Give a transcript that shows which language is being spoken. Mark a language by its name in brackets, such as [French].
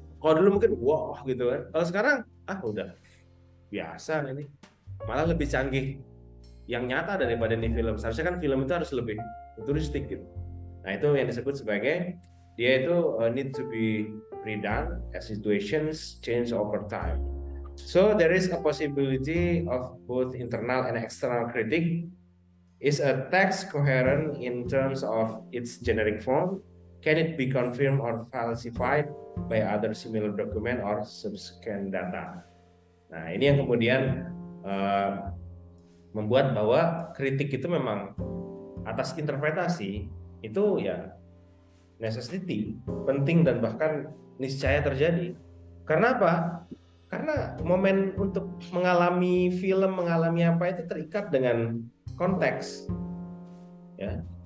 [Indonesian] Kalau dulu mungkin wah gitu kan. Kalau sekarang ah udah biasa ini. malah lebih canggih yang nyata daripada di film. Seharusnya kan film itu harus lebih futuristik gitu. Nah, itu yang disebut sebagai dia itu [English] need to be redone as situations change over time. So there is a possibility of both internal and external critic. Is a text coherent in terms of its generic form? Can it be confirmed or falsified by other similar document or subsequent data? [Indonesian] Nah, ini yang kemudian membuat bahwa kritik itu memang atas interpretasi itu ya necessity, penting dan bahkan niscaya terjadi. Karena apa? Karena momen untuk mengalami film, mengalami apa itu terikat dengan konteks. Ya.